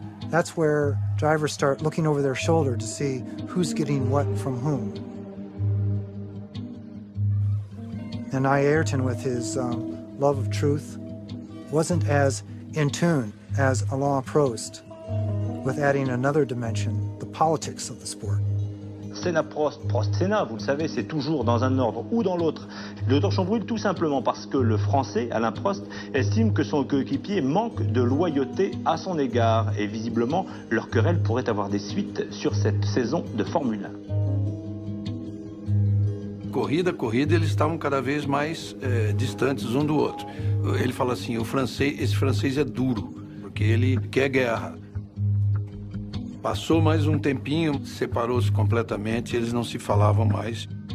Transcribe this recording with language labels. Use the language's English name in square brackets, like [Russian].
[English] That's where drivers start looking over their shoulder to see who's getting what from whom. And Ayrton, with his love of truth, wasn't as in tune as Alain Prost with adding another dimension, the politics of the sport. [French] Senna Prost, Prost Senna, vous le savez, c'est toujours dans un ordre ou dans l'autre. Le torchon brûle tout simplement parce que le Français, Alain Prost, estime que son coéquipier manque de loyauté à son égard. Et visiblement, leur querelle pourrait avoir des suites sur cette saison de Formule 1. [Portuguese] Corrida, corrida, eles estavam cada vez mais distantes um do outro. Ele fala assim, esse francês é duro, porque ele quer guerra. Passou mais tempinho, separou-se completamente, eles não se falavam mais.